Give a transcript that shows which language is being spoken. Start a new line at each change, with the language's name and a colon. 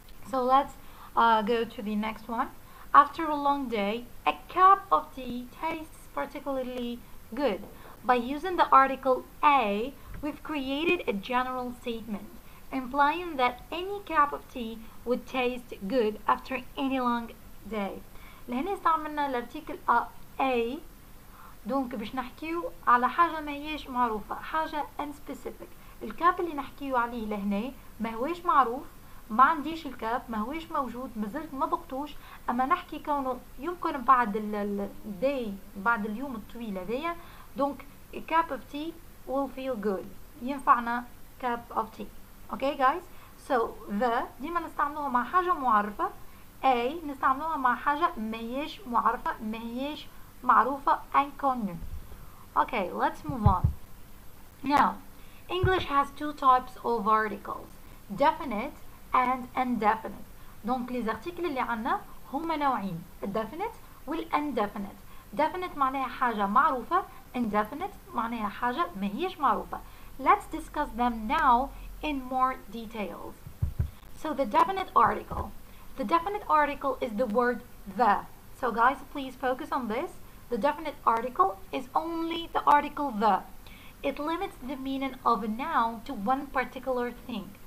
English: So let's go to the next one. After a long day, a cup of tea tastes particularly good. By using the article A, we've created a general statement, implying that any cup of tea would taste good after any long day.
Arabic: لهنا استعملنا الارتيكل A, دونك باش نحكيو على حاجة ماهيش معروفة, حاجة unspecific. الكاب اللي نحكيو عليه لهنا ماهوش معروف, ما عنديش الكاب, ما هوش موجود, ما زلت ما ضقتوش, اما نحكي كونه يمكن بعد الداي, بعد اليوم الطويل هذايا, دونك
English: a cup of tea will feel good,
Arabic: ينفعنا
English: cup of tea. Okay guys, so the
Arabic: ديما نستعملوها مع حاجة معرفة, a نستعملوها مع حاجة ماهيش معرفة, ماهيش معروفة, unknown.
English: Okay, let's move on. Now, English has two types of articles, definite and indefinite.
French: Donc les articles
Arabic: اللي عنا هما نوعين, definite والindefinite. Definite معناها حاجة معروفة, indefinite معناها حاجة ماهيش معروفة.
English: Let's discuss them now in more details. So the definite article. The definite article is the word the. So guys, please focus on this. The definite article is only the article the. It limits the meaning of a noun to one particular thing.